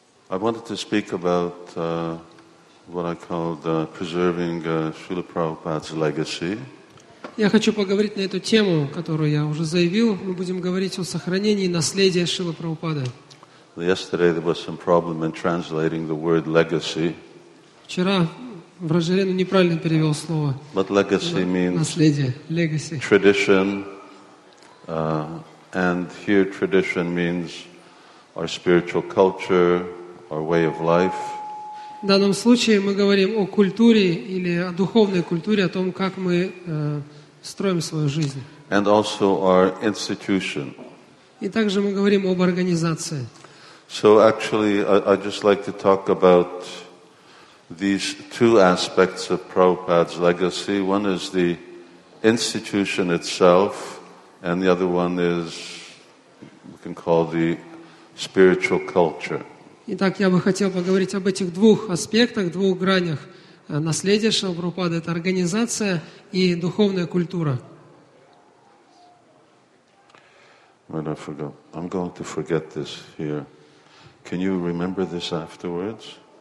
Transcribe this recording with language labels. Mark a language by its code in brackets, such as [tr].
[en] I wanted to speak about what I called preserving Srila Prabhupada's legacy. [ru] Я хочу поговорить на эту тему, которую я уже заявил. Мы будем говорить о сохранении наследия Шрилы Прабхупады. [en] Yesterday there was some problem in translating the word legacy. [ru] Вчера Вражерену неправильно перевел слово. [en] But legacy means [ru] наследие, legacy. [en] Tradition, and here tradition means our spiritual culture, our way of life. [ru] В данном случае мы говорим о культуре или о духовной культуре, о том, как мы строим свою жизнь. [en] And also our institution. [ru] И также мы говорим об организации. [en] So actually, I'd just like to talk about these two aspects of Prabhupada's legacy. One is the institution itself, and the other one is, we can call the spiritual culture. [ru] Итак, я бы хотел поговорить об этих двух аспектах, двух гранях наследия Шрилы Прабхупады. Это организация и духовная культура. [en] Wait, I forgot. I'm going to forget this here. Can you remember this afterwards?